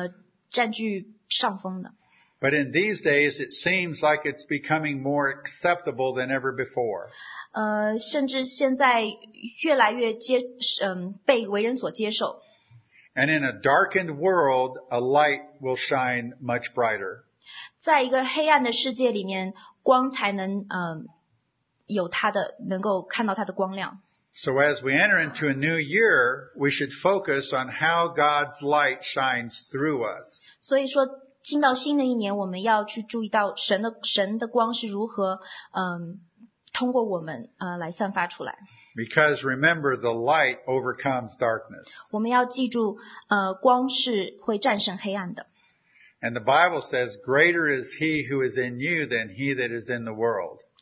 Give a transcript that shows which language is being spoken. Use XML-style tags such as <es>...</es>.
<zh>我们知道罪在这个世界一直都是占据上风的。</zh> <en>But in these days, it seems like it's becoming more acceptable than ever before.</en> <zh>甚至现在越来越被为人所接受。</zh> <en>And in a darkened world, a light will shine much brighter.</en> <zh>在一个黑暗的世界里面，光才能有它的，能够看到它的光亮。</zh> <en>So as we enter into a new year, we should focus on how God's light shines through us.</en> <zh>所以说， 进到新的一年，我们要去注意到神的光是如何通过我们来散发出来。</zh> <en>Because remember, the light overcomes darkness.</en> <zh>我们要记住，光是会战胜黑暗的。</zh> <en>And the Bible says, greater is He who is in you than he that is in the world.</en>